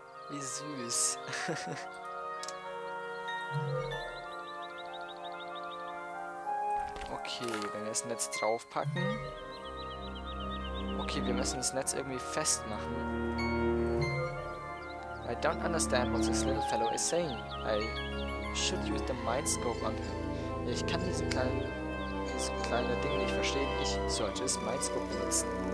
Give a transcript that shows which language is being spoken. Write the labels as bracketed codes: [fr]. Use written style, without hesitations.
[de] Wie süß. Okay, wenn wir das Netz draufpacken. Okay, wir müssen das Netz irgendwie festmachen. [en] I don't understand what this little fellow is saying. I should use the mind scope on him. [de] Ich kann diese kleine Dinge nicht verstehen. Ich sollte das Mind Scope benutzen.